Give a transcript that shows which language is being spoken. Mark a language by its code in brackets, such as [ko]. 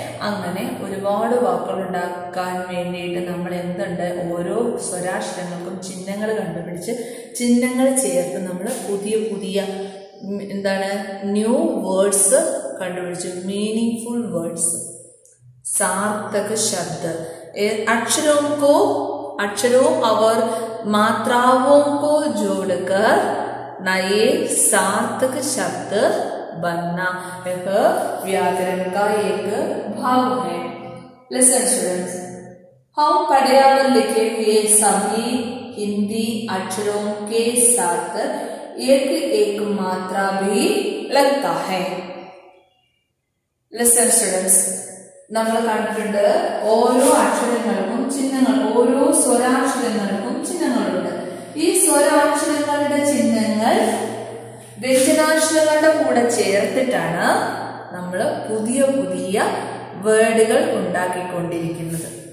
[ml] അങ്ങനെ ഒരുപാട് വാക്കുകൾ ഉണ്ടാക്കാൻ വേണ്ടിയിട്ട് നമ്മൾ എന്തുണ്ട്, ഓരോ സ്വരാക്ഷരങ്ങൾക്കും ചിഹ്നങ്ങൾ കണ്ടുപിടിച്ച് ചിഹ്നങ്ങൾ ചേർത്ത് നമ്മൾ പുതിയ പുതിയ എന്താണ് [en] new words [ml] കണ്ടുപിടിച്ചു, [en] meaningful words, [hi] സാർത്ഥക ശബ്ദ. अक्षरों को अक्षरों और मात्राओं को जोड़कर नए सार्थक शब्द बनना एक व्याकरण का एक भाग है। [en] listen students, [hi] हम पढ़े और लिखे हुए सभी हिंदी अक्षरों के साथ एक एक मात्रा भी लगता है। [en] listen students, [ml] നമ്മൾ കണ്ടിട്ടുണ്ട് ഓരോ അക്ഷരങ്ങൾക്കും ചിഹ്നങ്ങൾ, ഓരോ സ്വരാക്ഷരങ്ങൾക്കും ചിഹ്നങ്ങളുണ്ട്. ഈ സ്വരാക്ഷരങ്ങളുടെ ചിഹ്നങ്ങൾ വ്യഞ്ജനാക്ഷരങ്ങളുടെ കൂടെ ചേർത്തിട്ടാണ് നമ്മൾ പുതിയ പുതിയ വേർഡുകൾ ഉണ്ടാക്കിക്കൊണ്ടിരിക്കുന്നത്.